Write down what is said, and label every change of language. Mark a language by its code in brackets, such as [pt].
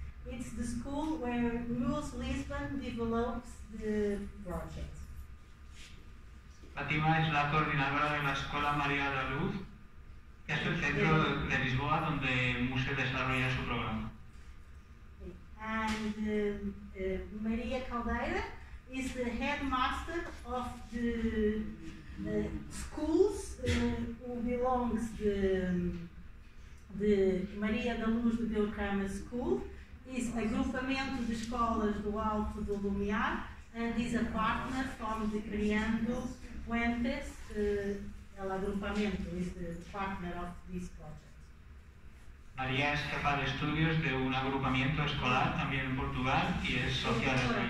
[en] It's the school where Muse Lisbon develops the project. [es] Fátima es la coordinadora de la Escola Maria da Luz. Es el centro de Lisboa donde Muse desarrolla su programa. [en] And Maria Caldeira is the headmaster of the schools who belongs the Maria da Luz de Deus Ramos School. Is agrupamento de escolas do Alto do Lumiar and is a partner from the Criando Puentes. El agrupamiento is the partner of this project. [es] María es jefa de estudios de un agrupamiento escolar también en Portugal y es socia de